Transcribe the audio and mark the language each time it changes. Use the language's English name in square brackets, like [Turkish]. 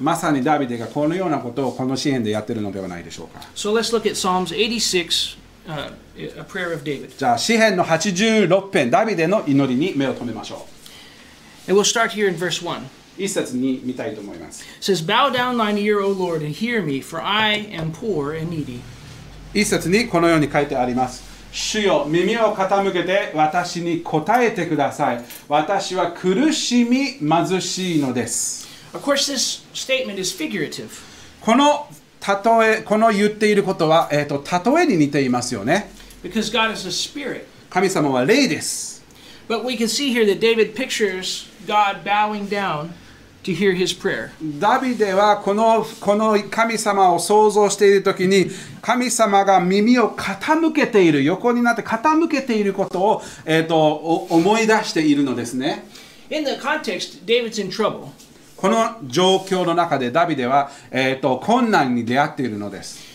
[Japanese] まさにダビデがこのようなことをこの詩編でやってるのではないでしょうか。 [English] So let's look at Psalms 86, a prayer of David. [Japanese] じゃあ詩編の86編、ダビデの祈りに目を留めましょう。 [English] And we'll start here in verse 1. [Japanese] 一節に見たいと思います。 [English] It says, Bow down thine ear, O Lord, and hear me, for I am poor and needy. [Japanese] 一節にこのように書いてあります。主よ、耳を傾けて私に答えてください。私は苦しみ貧しいのです。 [English] Of course, this statement is figurative. [Japanese] この例え、この言っていることは、例えに似ていますよね。 [English] Because God is a spirit. [Japanese] 神様は霊です。 [English] But we can see here that David pictures God bowing down to hear his prayer. [Japanese] ダビデはこの神様を想像しているときに、神様が耳を傾けている、横になって傾けていることを、思い出しているのですね。 [English] In the context, David's in trouble. [Japanese] この状況の中でダビデは、困難に出会っているのです。